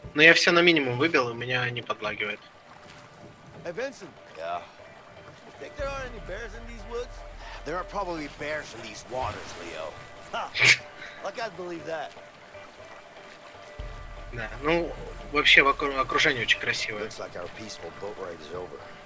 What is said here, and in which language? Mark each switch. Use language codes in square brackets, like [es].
[ru] Но я все на минимум выбил, и меня не подлагивает. [en] Hey, Vincent. Yeah. You think there aren't any bears in these woods? There are probably bears in these waters, Leo. Like I'd believe that. [ru] Да, ну, вообще окружение очень красивое. [en] Looks like our peaceful boat ride is over.